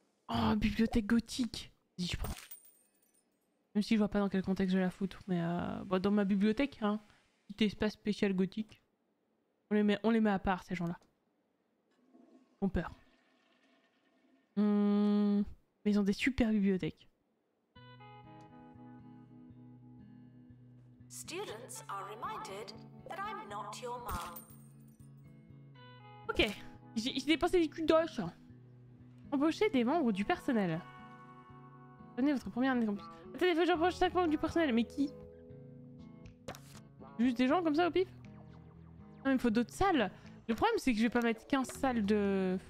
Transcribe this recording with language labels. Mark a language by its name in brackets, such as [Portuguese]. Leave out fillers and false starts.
[French] Oh, bibliothèque gothique. Vas-y, je prends. Même si je vois pas dans quel contexte je la foutre, mais bon, dans ma bibliothèque, hein, petit espace spécial gothique. On les met à part, ces gens-là. Ils ont peur. Mais ils ont des super bibliothèques. [English] Students are reminded that I'm not your mom. [French] Ok, j'ai dépensé des culs d'oche. Embaucher des membres du personnel. Prenez votre première année campus. Attendez, faut que j'approche 5 membres du personnel, mais qui? Juste des gens comme ça au pif? Non, il me faut d'autres salles. Le problème, c'est que je vais pas mettre 15 salles de...